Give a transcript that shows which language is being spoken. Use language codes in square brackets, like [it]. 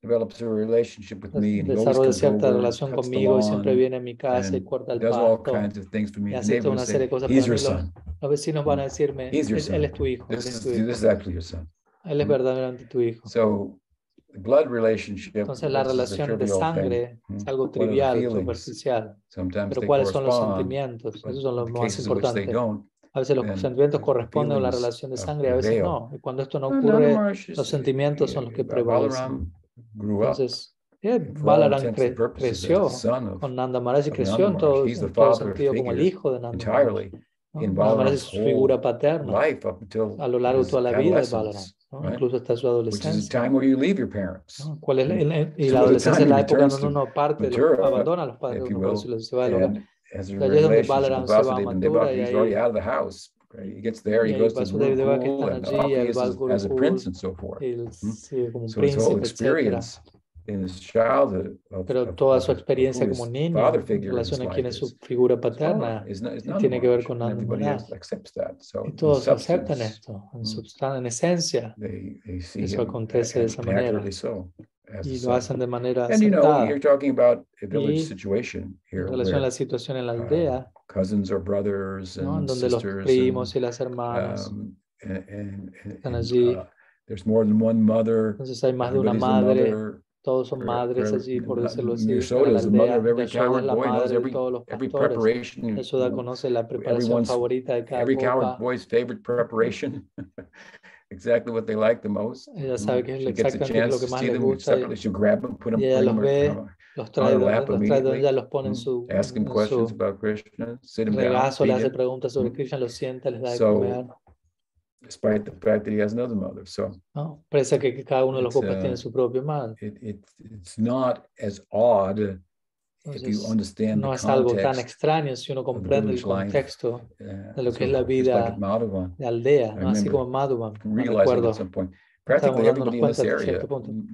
[en] develops a relationship with me and always comes over, cuts the lawn, and [es] siempre viene a mi casa y corta el pasto, [en] does all kinds of things for me. The neighbors say, he's your son. [es] Los vecinos van a decirme, él es tu hijo. [en] This is actually your son. [es] Él es verdaderamente tu hijo. [en] So the blood relationship, [es] entonces la relación de sangre es algo trivial, superficial. Pero ¿cuáles son los sentimientos? Esos son los más importantes. A veces los sentimientos corresponden a la relación de sangre, a veces no. Y cuando esto no ocurre, los sentimientos son los que prevalecen. Entonces, Balaram creció con Nanda Maharaj y creció en todo sentido como el hijo de Nanda Maharaj. Nanda Maharaj es su figura paterna a lo largo de toda la vida de Balaram. Right? Incluso hasta su adolescencia. [en] Which is the time where you leave your parents. [es] ¿Cuál es y la adolescencia es la época donde uno parte, abandona a los padres, uno por decirlo, se va del hogar. Allí es donde Balaram se va a Mathura y ahí [en] out of the house. He gets there, he goes to the school, and the office as a prince and so forth. Hmm? So his whole experience in his childhood [es] pero toda su experiencia como niño en relación a quién es su figura paterna tiene que ver con Nanda Maharaj. Y todos aceptan esto en esencia. Eso acontece de esa manera y lo hacen de manera aceptada. Y en relación a la situación en la aldea [en] cousins or brothers and [es] sisters, donde los primos y las hermanas están allí. [en] There's more than one mother. [es] Entonces hay más de una madre. Todos son madres allí, por decirlo así. Yashoda es la madre de todos los pastores. Yashoda conoce la preparación favorita de cada [en] every coward boy's favorite preparation. Exactly what they like the most. [es] Ella sabe que es exactamente lo que más le gusta. [en] She'll grab them, put them [es] y ella los ve, los trae, ella los pone en su regazo, le hace preguntas sobre Krishna, los sienta, les da de comer. [en] Despite the fact that he has another mother, so. [es] No, parece que cada uno de los copas tiene su propio madre. [en] It's not as odd if you understand [es] no es algo tan extraño si uno comprende el contexto de lo que es la vida de aldea, no así como Madhuban. Recuerdo. [en] Practically everybody in this area. Juan,